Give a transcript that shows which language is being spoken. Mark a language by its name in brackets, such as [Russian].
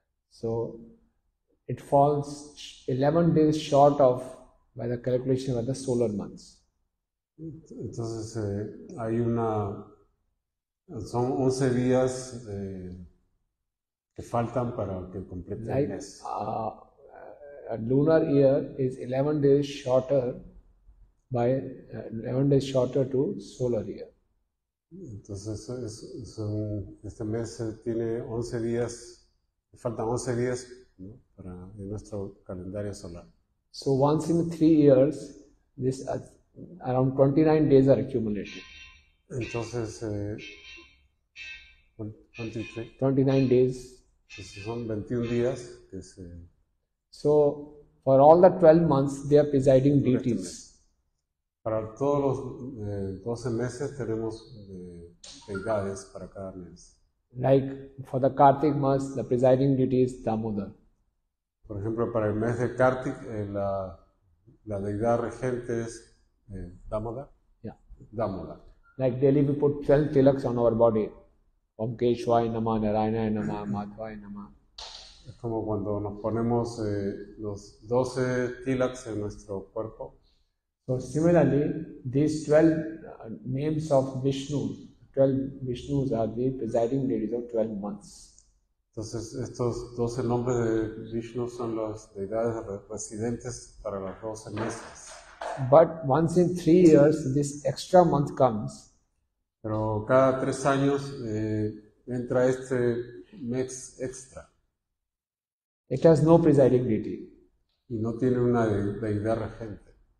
[English] So, it falls 11 days short of by the calculation of the solar months. [Spanish] Entonces, hay una. Son 11 días que faltan para que complete el [English] like, [Spanish] mes. [English] A lunar year is 11 days shorter. By 11 days shorter to solar year. [Spanish] Entonces este mes tiene 11 días, faltan 11 días, ¿no? Para nuestro calendario solar. [English] So once in 3 years, this around 29 days are accumulated. [Spanish] Entonces [English] 29 days. [Spanish] Entonces son 21 días. [English] So for all the 12 months, they are presiding deities. [Spanish] Para todos los 12 meses tenemos deidades para cada mes. [English] Like for the Kartik month, the presiding deity is Damodar. [Spanish] Por ejemplo, para el mes de Kartik, la deidad regente es Damodar. [English] Yeah. Damodar. Like daily we put 12 tilaks on our body. [Sanskrit] Om Keshwaya Namah, Narayanaya Namah, Madhvaya Namah. [Spanish] Es como cuando nos ponemos los 12 tilaks en nuestro cuerpo. [English] So similarly, these 12 names of Vishnu, 12 Vishnus are the presiding deities of 12 months. [Spanish] Entonces, estos 12 nombres de Vishnu son las deidades residentes para los 12 meses. [English] But once in 3 years, this extra month comes. [Spanish] Pero cada 3 años entra este mes extra. [English] It has no presiding deity. [Spanish] Y no tiene una deidad regente.